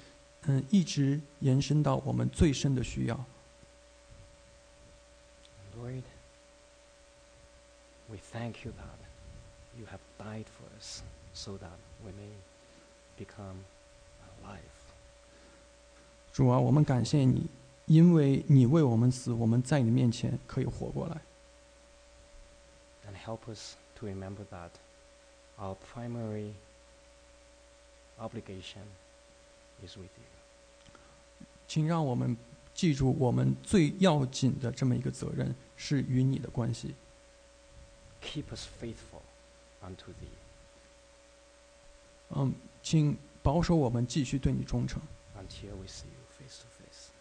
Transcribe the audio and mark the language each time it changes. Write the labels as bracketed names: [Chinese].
[Chinese] 你的怜悯通过我们主耶稣基督的福音，一直延伸到我们最深的需要。 [English] Lord, we thank you that you have died for us so that we may become alive. [Chinese] 主啊，我们感谢你，因为你为我们死，我们在你面前可以活过来。 [English] And help us to remember that our primary obligation is with you. [Chinese] 请让我们记住，我们最要紧的这么一个责任是与你的关系。 [English] Keep us faithful unto thee. [Chinese] 请保守我们继续对你忠诚。 [English] Until we see you face to face.